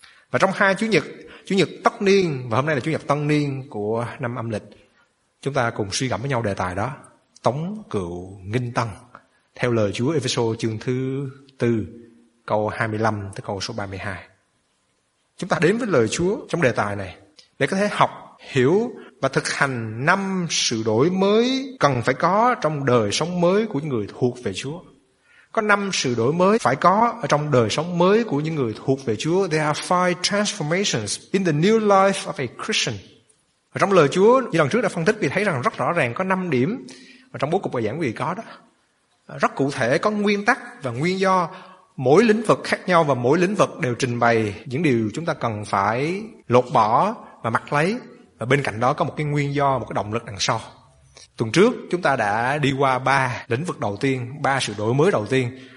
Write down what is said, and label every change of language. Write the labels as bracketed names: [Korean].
[Vietnamese] Và trong hai Chủ nhật tất niên và hôm nay là Chủ nhật tân niên của năm âm lịch, chúng ta cùng suy gẫm với nhau đề tài đó: tống cựu nghinh tân theo lời Chúa Ê-phê-sô chương thứ 4 câu 25 tới câu số 32. Chúng ta đến với lời Chúa trong đề tài này để có thể học, hiểu và thực hành năm sự đổi mới cần phải có trong đời sống mới của những người thuộc về Chúa. Có năm sự đổi mới phải có ở trong đời sống mới của những người thuộc về Chúa. [English] There are five transformations in the new life of a Christian. [Vietnamese] Và trong lời Chúa, như lần trước đã phân tích, vì thấy rằng rất rõ ràng có 5 điểm mà trong bố cục bài giảng vì có đó. Rất cụ thể, có nguyên tắc và nguyên do, mỗi lĩnh vực khác nhau và mỗi lĩnh vực đều trình bày những điều chúng ta cần phải lột bỏ và mặc lấy. Và bên cạnh đó có một cái nguyên do, một cái động lực đằng sau. Tuần trước chúng ta đã đi qua 3 lĩnh vực đầu tiên, 3 sự đổi mới đầu tiên.